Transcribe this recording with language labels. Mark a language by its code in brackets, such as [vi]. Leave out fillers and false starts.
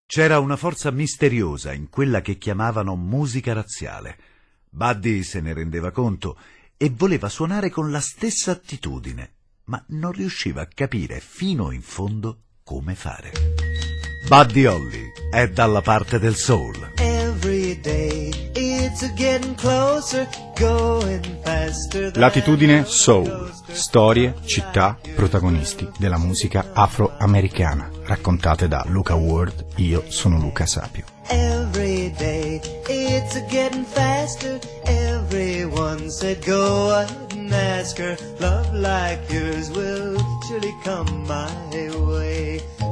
[it] C'era una forza misteriosa in quella che chiamavano musica razziale. Buddy se ne rendeva conto e voleva suonare con la stessa attitudine, ma non riusciva a capire fino in fondo come fare. Buddy Holly è dalla parte del soul. [en] Every day it's getting closer, going faster. [it] Latitudine soul. Storie, città, protagonisti della musica afroamericana, raccontate da Luca Ward. Io sono Luca Sapio. [en] Every day it's getting faster. Everyone said go ahead and ask her. Love like yours will surely come my way.